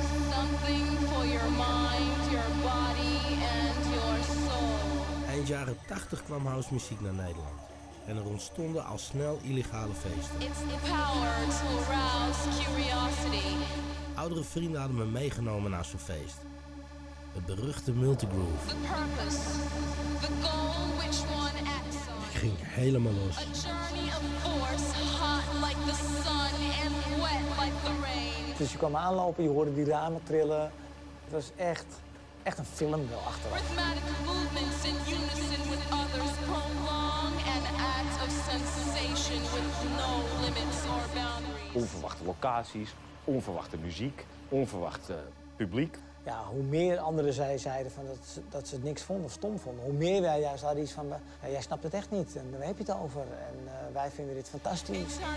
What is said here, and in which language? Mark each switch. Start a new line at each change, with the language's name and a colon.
English: Something for your mind, your body and your soul.
Dutch: Eind jaren 80 kwam house muziek naar Nederland. En er ontstonden al snel illegale feesten.
English: It's the power to arouse curiosity.
Dutch: Oudere vrienden hadden me meegenomen naar zo'n feest. Het beruchte Multigroove.
English: The purpose, the goal which one acts on.
Dutch: Ik ging helemaal los.
English: A journey of force, hot like the sun and wet like the rain.
Dutch: Dus je kwam aanlopen, je hoorde die ramen trillen. Het was echt een film wel achteraf.
English: Rhythmatic movements in unison with others prolong an act of sensation with no limits or boundaries.
Dutch: Onverwachte locaties, onverwachte muziek, onverwachte publiek. Ja, hoe meer anderen zeiden van dat ze het niks vonden of stom vonden, hoe meer wij juist hadden iets van, jij snapt het echt niet en daar heb je het over en wij vinden dit fantastisch.